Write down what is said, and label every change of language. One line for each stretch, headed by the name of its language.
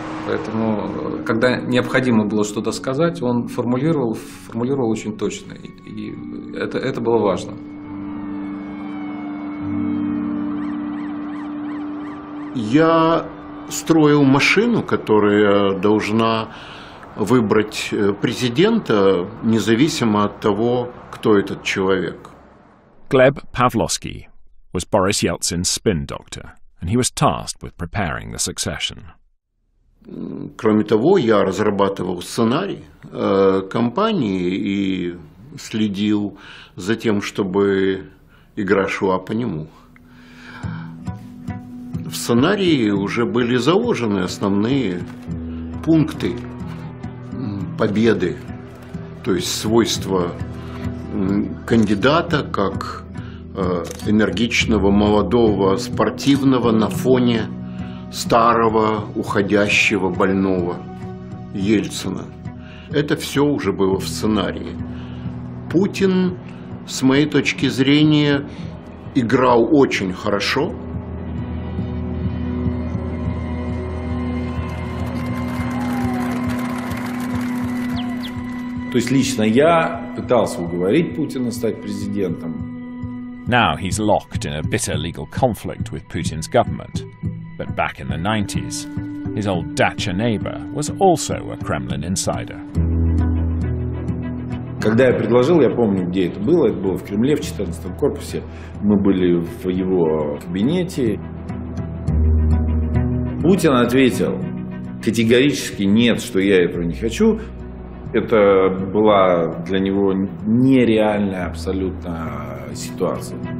Russian: Поэтому, когда необходимо было что-то сказать, он формулировал очень точно, и это было важно. Я строил машину, которая должна выбрать президента, независимо от того, кто этот человек.
English: Глеб Павловский was Boris Yeltsin's spin doctor, and he was tasked with preparing the succession.
Russian: Кроме того, я разрабатывал сценарий кампании и следил за тем, чтобы игра шла по нему. В сценарии уже были заложены основные пункты победы, то есть свойства кандидата как энергичного, молодого, спортивного на фоне старого, уходящего, больного Ельцина. Это все уже было в сценарии. Путин, с моей точки зрения, играл очень хорошо. То есть лично я пытался уговорить Путина стать президентом.
English: Now he's locked in a bitter legal conflict with Putin's government. But back in the 90s, his old dacha neighbor was also a Kremlin insider.
Russian: Когда я предложил, я помню, где это было в Кремле, в 14-м корпусе. Мы были в его кабинете. Путин ответил категорически нет, что я этого не хочу. Это была для него нереальная абсолютно ситуация.